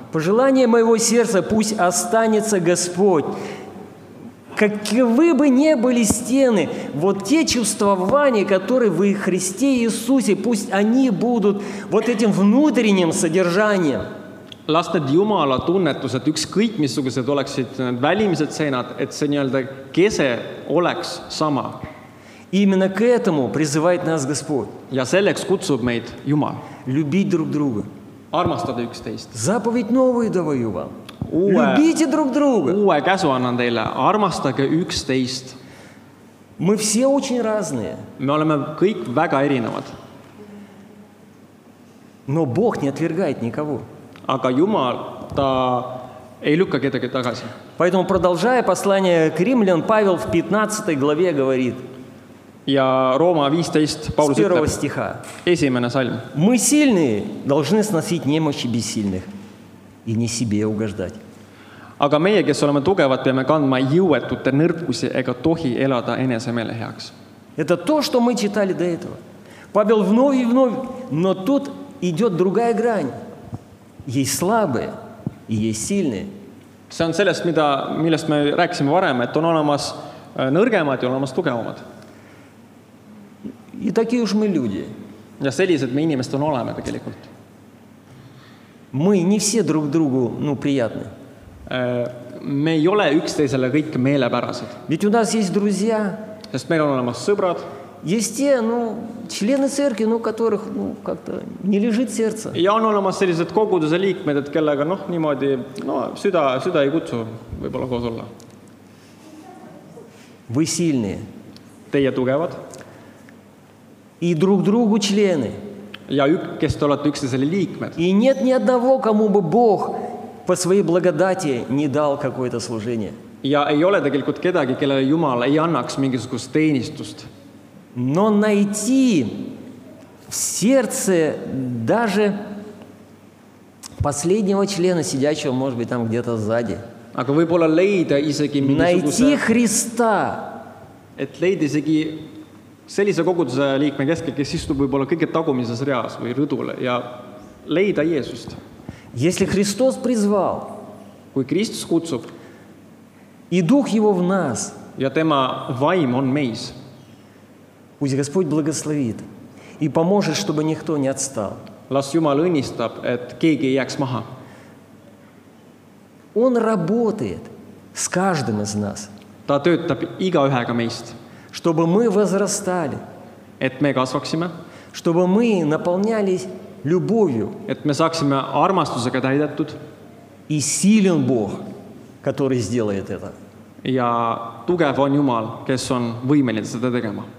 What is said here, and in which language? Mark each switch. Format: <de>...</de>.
<ru>Пожелание моего сердца пусть останется Господь. Каковы бы не были стены, вот те чувствования, которые вы в Христе Иисусе, пусть они будут вот этим внутренним содержанием.</ru> <et>Las need Jumala tunnetused, üks kõik, missugused oleksid need välimised seinad, et see nii-öelda kese oleks sama.</et> <ru>Именно к этому призывает нас Господь.</ru> <et>Ja selleks kutsub meid Jumal.</et> <ru>Любить друг друга.</ru> <et>Armastada üks teist.</et> <ru>Заповедь новую даваю вам. Любите друг друга.</ru> <et>Uue käsu annan teile. Armastage üks teist.</et> <ru>Мы все очень разные.</ru> <et>Me oleme kõik väga erinevad.</et> <ru>Но Бог не отвергает никого.</ru> <et>Aga Jumal, ta ei lükka kedagi tagasi.</et> <ru>Поэтому, продолжая послание к римлян, Павел в 15 главе говорит.</ru> <et>Ja Rooma 15, Paulus ütleb.</et> <ru>С первого стиха.</ru> <et>Esimene salm.</et> <ru>Мы сильные должны сносить немощи бессильных и не себе угождать.</ru> <et>Aga meie, kes oleme tugevad, peame kandma jõuetute nõrkusi ega tohi elada enese meele heaks.</et> <ru>Это то, что мы читали до этого. Павел вновь и вновь, но тут идет другая грань. Есть слабые и есть сильные.</ru> <et>See on sellest, millest me rääkisime varem, et on olemas nõrgemad ja olemas tugevamad.</et> <ru>И такие уж мы люди.</ru> <et>Ja sellised me inimest on olema tegelikult.</et> <ru>Мы не все друг другу, ну, приятны.</ru> <et>Me ei ole üksteisele kõik meelepärased.</et> <ru>Ведь у нас есть друзья.</ru> <et>Sest meil on olemas sõbrad.</et> <ru>Есть те, ну, члены церкви, ну, которых, ну, как-то не лежит сердце.</ru> <et>Ja on olemas sellised koguduse liikmed, et kellega, noh, niimoodi, noh, süda ei kutsu võib-olla koos olla.</et> <ru>Вы сильные.</ru> <et>Teie tugevad.</et> <ru>И друг другу члены.</ru> <et>Ja kes te olete üksteisele liikmed.</et> <ru>И нет ни одного, кому бы Бог по своей благодати не дал какое-то служение.</ru> <et>Ja ei ole tegelikult kedagi, kellele Jumal ei annaks mingisugust teenistust.</et> <ru>Но найти в сердце даже последнего члена, сидящего, может быть, там где-то сзади.</ru> <et>Aga võib-olla leida isegi</et> <ru>найти Христа.</ru> <et>Et leida isegi sellise koguduse liikme keskel, kes istub võib-olla kõige tagumises reas või rõdule, ja leida Jeesust.</et> <ru>Если Христос призвал,</ru> <et>kui Kristus kutsub,</et> <ru>и Дух Его в нас,</ru> <et>ja tema vaim on meis,</et> <ru>Пусть Господь благословит и поможет, чтобы никто не отстал.</ru> <et>Лас Юмал õnnistab, et keegi ei jääks maha.</et> <ru>Он работает с каждым из нас.</ru> <et>Ta töötab iga ühega meist.</et> <ru>Чтобы мы возрастали.</ru> <et>Et me kasvaksime.</et> <ru>Чтобы мы наполнялись любовью.</ru> <et>Et me saaksime armastusega täidetud.</et> <ru>И силен Бог, который сделает это.</ru> <et>Ja tugev on Jumal, kes on võimeline seda tegema.</et>